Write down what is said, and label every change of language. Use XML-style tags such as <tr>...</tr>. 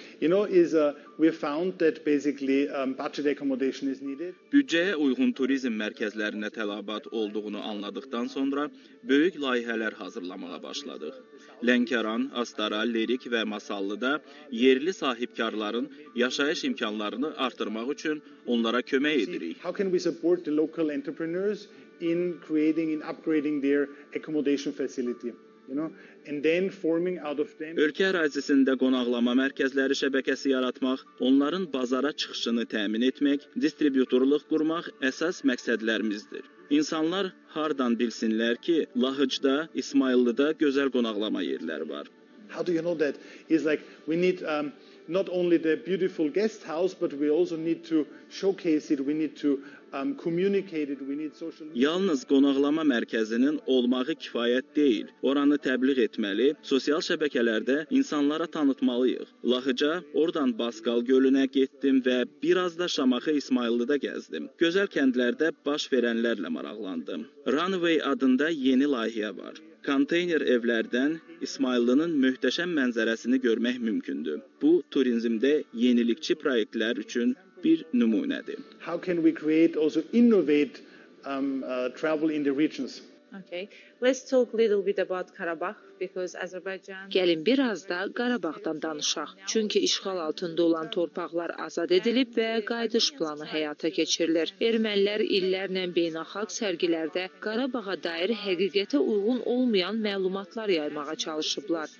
<az>Büdcəyə uyğun turizm mərkəzlərinə tələbat olduğunu anladıqdan sonra böyük layihələr hazırlamağa başladıq. Lənkəran, Astara, Lerik və Masallıda yerli sahibkarların yaşayış imkanlarını artırmaq üçün onlara kömək edirik.</az> <en>How can we support the local entrepreneurs in creating and upgrading their accommodation facility?</en> <az>Ölkə ərazisində qonaqlama mərkəzləri şəbəkəsi yaratmaq, onların bazara çıxışını təmin etmək, distributorluq qurmaq əsas məqsədlərimizdir. İnsanlar hardan bilsinlər ki, Lahıcda, İsmayıllıda gözəl qonaqlama yerləri var.</az> <en>How do you know that? It's like we need not only the beautiful guest house, but we also need to showcase it, we need to communicated, we need social media.</en> <az>Yalnız qonaqlama mərkəzinin olmağı kifayət deyil. Oranı təbliğ etməli, sosial şəbəkələrdə insanlara tanıtmalıyıq. Lahıca, oradan Basqal gölünə getdim və bir az da Şamaxı İsmayıllıda gəzdim. Gözəl kəndlərdə baş verənlərlə maraqlandım. Runway adında yeni layihə var. Konteyner evlərdən İsmayıllının möhtəşəm mənzərəsini görmək mümkündür. Bu, turizmdə yenilikçi proyektlər üçün bir nümunədir.</az> <en>How can we create also innovate travel in the regions? Okay. Let's talk a little bit about Karabakh.</en> <az>Gəlin biraz da Qarabağdan danışaq. Çünki işğal altında olan torpaqlar azad edilib və qayıdış planı həyata keçirilir. Ermənilər illərlə beynəlxalq sərgilərdə Qarabağa dair həqiqətə uyğun olmayan məlumatlar yaymağa çalışıblar.</az>